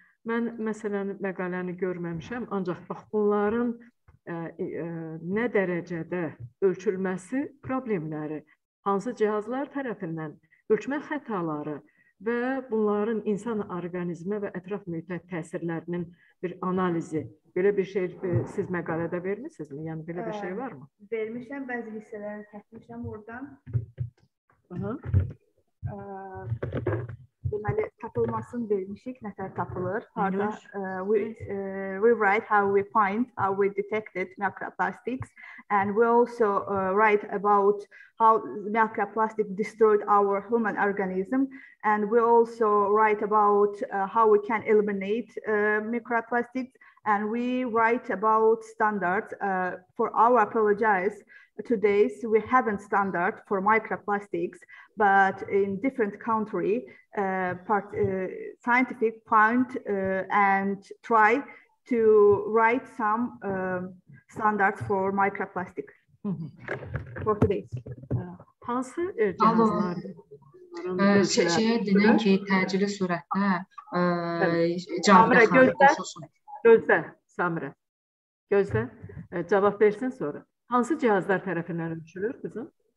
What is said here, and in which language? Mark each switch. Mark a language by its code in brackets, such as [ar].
[az] Mən məsələn məqaləni görməmişəm, ancaq bax, bunların nə dərəcədə ölçülməsi problemləri, hansı cihazlar tərəfindən ölçmə xətaları, və bunların insan orqanizmə və ətraf mühitə təsirlərinin bir analizi. Belə bir şey siz məqalədə vermişsinizmi? Yəni belə bir şey var mı? Vermişəm, bəzi hissələri çəkmişəm oradan. Deməli, tapılmasını vermişik, nətər tapılır. [en] Harda, we write how we find, how we detected microplastics, and we also write about how microplastic destroyed our human organism, and we also write about how we can eliminate microplastics, and we write about standards. For our apologize, today we haven't standard for microplastics, but in different country, scientific point and try to write some standards for microplastic for today. [az] Hansı cihazlar? Şey dedin ki, təcili sürətdə cavab versin. Gözlə, Samira. Cavab versin sonra. Hansı cihazlar tərəfindən ölçülür kızım?